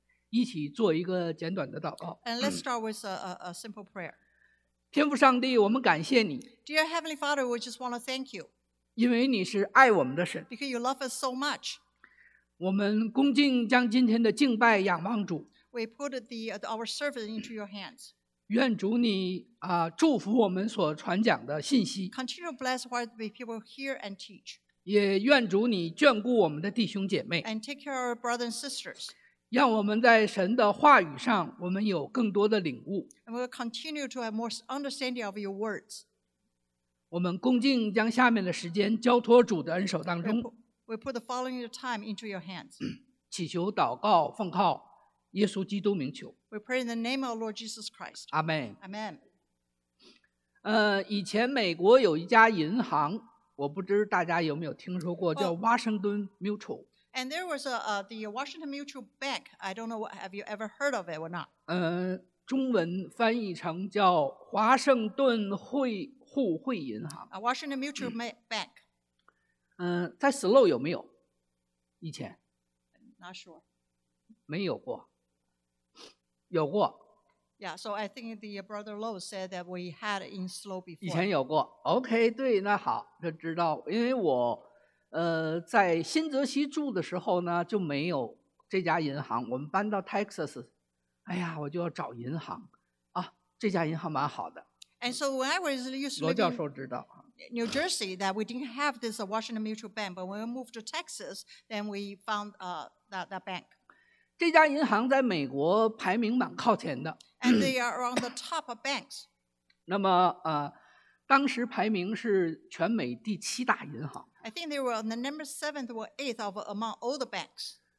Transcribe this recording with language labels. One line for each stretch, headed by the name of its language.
Chinese: 一起做一个简短的祷告。
English: And let's start with a simple prayer.
Chinese: 天父上帝，我们感谢你。
English: Dear Heavenly Father, we just want to thank you.
Chinese: 因为你是爱我们的神。
English: Because you love us so much.
Chinese: 我们恭敬将今天的敬拜仰望主。
English: We put our service into your hands.
Chinese: 愿主你祝福我们所传讲的信息。
English: Continue to bless what the people hear and teach.
Chinese: 也愿主你眷顾我们的弟兄姐妹。
English: And take care of our brothers and sisters.
Chinese: 让我们在神的话语上我们有更多的领悟。
English: And we'll continue to have more understanding of your words.
Chinese: 我们恭敬将下面的时间交托主的恩手当中。
English: We put the following time into your hands.
Chinese: 祈求祷告奉靠耶稣基督名求。
English: We pray in the name of Lord Jesus Christ. Amen. Amen.
Chinese: 以前美国有一家银行，我不知大家有没有听说过，叫华盛顿 Mutual。
English: And there was the Washington Mutual Bank. I don't know, have you ever heard of it or not?
Chinese: 中文翻译成叫华盛顿汇户汇银行。
English: Washington Mutual Bank.
Chinese: 在 SLO 有没有？以前
English: ？Not sure.
Chinese: 没有过。有过。
English: Yeah, so I think the brother Low said that we had in SLO before.
Chinese: 以前有过。 OK， 对，那好，就知道，因为我。在新泽西住的时候呢，就没有这家银行。我们搬到 Texas， 哎呀，我就要找银行啊，这家银行蛮好的。
English: And so when I was used to living in New Jersey, that we didn't have this Washington Mutual Bank, but when we moved to Texas, then we found that bank.
Chinese: 这家银行在美国排名蛮靠前的。
English: And they are on the top of banks.
Chinese: 那么当时排名是全美第七大银行。
English: I think they were on the number 7th or 8th of among all the banks.